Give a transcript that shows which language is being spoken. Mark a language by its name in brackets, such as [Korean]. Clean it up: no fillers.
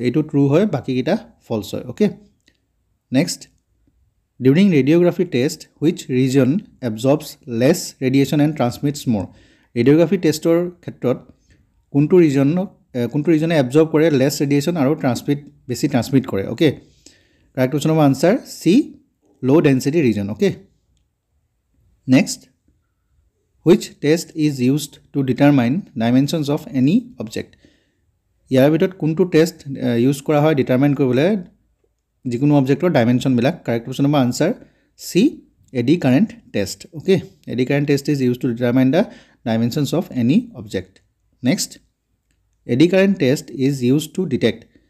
[Assamese] এইটো ট্ৰু হয়, বাকীকেইটা ফল্ছ হয়। [English] Okay, next, during radiography test which reason absorbs less radiation and transmits more. [Assamese] ৰেডিঅ'গ্ৰাফি টেষ্টৰ ক্ষেত্ৰত কোনটো ৰিজনে এবজৰ্ব কৰে লেছ ৰেডিয়েশ্যন আৰু বেছি ট্ৰান্সমিট কৰে? অ'কে, কাৰেক্ট কোৱেশ্যন হ'ব আনচাৰ চি, ল' density region. [English] Okay, next, which test is use to determine dimensions of any object. [Assamese] ইয়াৰ ভিতৰত কোনটো টেষ্ট ইউজ কৰা হয় ডিটাৰমাইন কৰিবলৈ যিকোনো অবজেক্টৰ ডাইমেনশ্যনবিলাক? কাৰেক্ট কোৱেশ্যন হ'ব answer C, এডুকাৰেণ্ট test. [English] Okay, eddy current test is use to determine the dimensions of any object. Next, eddy current test is use to detect.